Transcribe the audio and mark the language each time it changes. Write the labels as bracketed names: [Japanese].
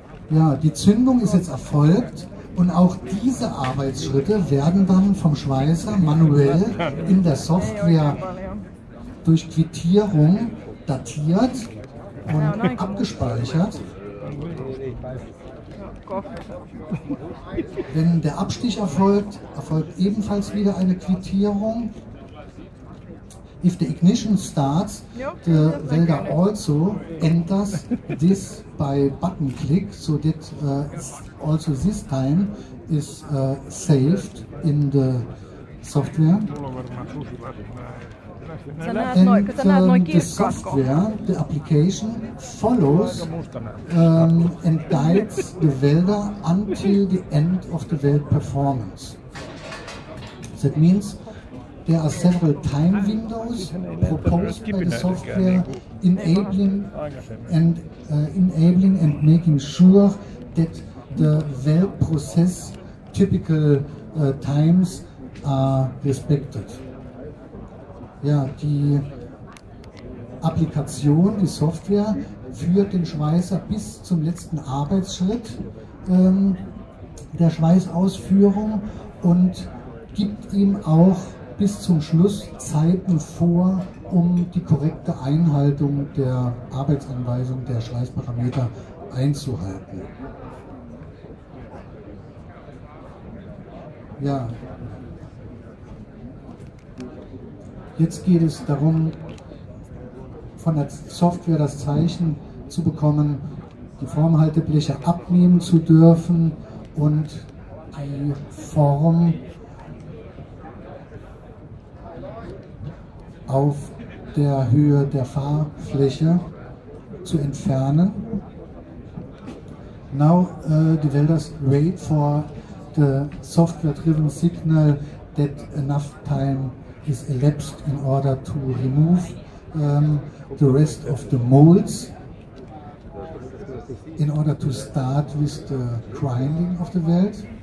[German] Ja, die Zündung ist jetzt erfolgt und auch diese Arbeitsschritte werden dann vom Schweißer manuell in der Software durch Quittierung datiert und abgespeichert. Wenn der Abstich erfolgt, erfolgt ebenfalls wieder eine Quittierung. [English] If the ignition starts, the welder also enters this by button click, so that also this time is saved in the software. And the software, the application, follows and guides the welder until the end of the weld performance. That means there are several time windows proposed by the software enabling and making sure that the weld process typical times are respected. [German] Ja, die Applikation, die Software, führt den Schweißer bis zum letzten Arbeitsschritt der Schweißausführung und gibt ihm auch bis zum Schluss Zeiten vor, um die korrekte Einhaltung der Arbeitsanweisung der Schweißparameter einzuhalten. Ja. Jetzt geht es darum, von der Software das Zeichen zu bekommen, die Formhaltebleche abnehmen zu dürfen und die Form auf der Höhe der Fahrfläche zu entfernen. [English] Now the welders wait for the software-driven signal that enough time is elapsed in order to remove the rest of the molds in order to start with the grinding of the weld.